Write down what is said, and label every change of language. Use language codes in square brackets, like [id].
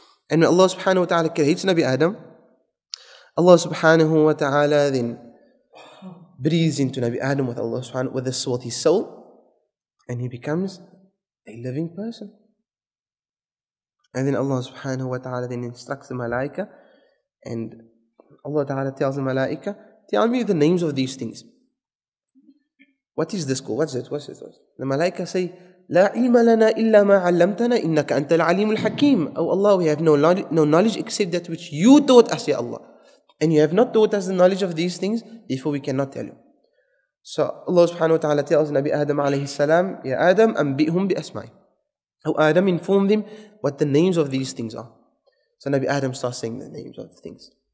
[en] And when Allah Subhanahu wa Ta'ala creates Nabi Adam, Allah Subhanahu wa Ta'ala then breathes into Nabi Adam with Allah Subhanahu with the soul, his soul, and he becomes a living person. And then Allah Subhanahu wa Ta'ala then instructs the Malaika, and Allah Ta'ala tells the Malaika, tell me the names of these things. What is this called? What's it? What's it? What's it? The Malaika say, [ar] لا علم لنا إلا ما علمتنا إنك أنت العليم الحكيم. [en] Oh Allah, we have no knowledge except that which you taught us, ya Allah. And you have not taught us the knowledge of these things, therefore we cannot tell you. So Allah subhanahu wa ta'ala tells Nabi Adam alayhi salam, ya Adam, [ar] أنبئهم بأسمائي. [en] Oh Adam, inform them what the names of these things are. So Nabi Adam starts saying the names of the things.